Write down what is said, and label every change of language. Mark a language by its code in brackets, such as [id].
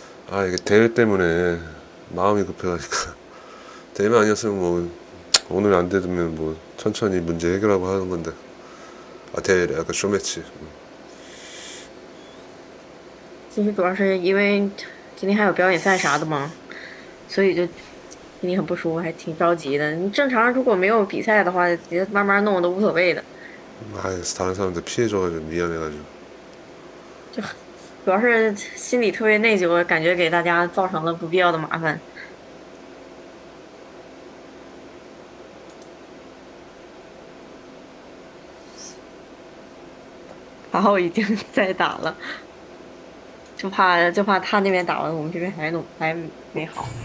[ko] 아 이게 대회 때문에 마음이 급해가지고 대회 아니었으면 뭐 오늘 안 되면 뭐 천천히 문제 해결하고 하는 건데 아 대회래 약간 쇼매치 [zh] 其实主要是因为今天还有表演赛啥的嘛，所以就心里很不舒服，还挺着急的。你正常如果没有比赛的话，直接慢慢弄都无所谓的。 [ko] 아 다른 사람들 피해줘가지고 미안해가지고 [zh] 就主要是心里特别内疚，感觉给大家造成了不必要的麻烦。然后已经在打了。就怕他那边打完，我们这边还没好。